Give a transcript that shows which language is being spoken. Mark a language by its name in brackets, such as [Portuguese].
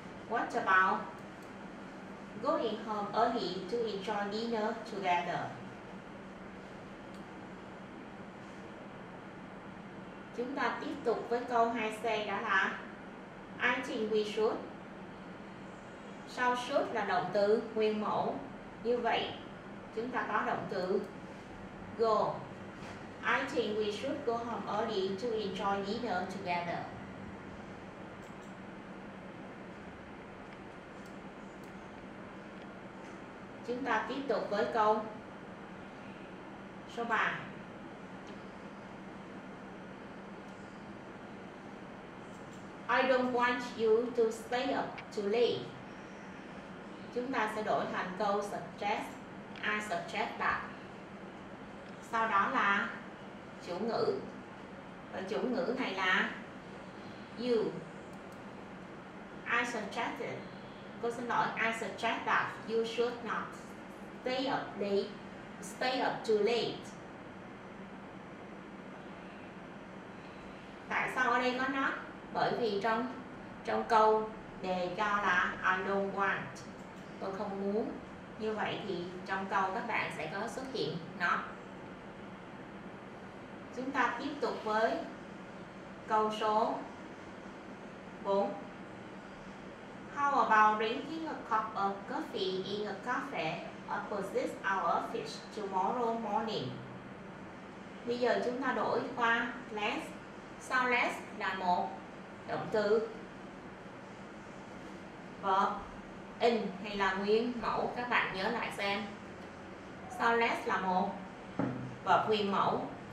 [English] What about going home early to enjoy dinner together? [Vietnamese] Chúng ta tiếp tục với câu 2C đó là I think we should. Sau should là động từ nguyên mẫu. Như vậy chúng ta có động từ go. [English] I think we should go home early to enjoy dinner together. [Vietnamese] Chúng ta tiếp tục với câu số 3. [English] I don't want you to stay up too late. [Vietnamese] Chúng ta sẽ đổi thành câu suggest. [English] I suggest that. [Vietnamese] Sau đó là chủ ngữ. Và chủ ngữ này là you. [English] I suggest it. [Vietnamese] Cô xin lỗi, [English] I suggest that you should not stay up late. Stay up too late. [Vietnamese] Tại sao ở đây có not? Bởi vì trong câu đề cho là I don't want. Tôi không muốn. Như vậy thì trong câu các bạn sẽ có xuất hiện not. Chúng ta tiếp tục với câu số 4. [English] How about drinking a cup of coffee in a cafe opposite our office tomorrow morning? [Vietnamese] Bây giờ chúng ta đổi qua less. Sau less là một động từ verb in hay là nguyên mẫu, các bạn nhớ lại xem. Sau less là một verb nguyên mẫu.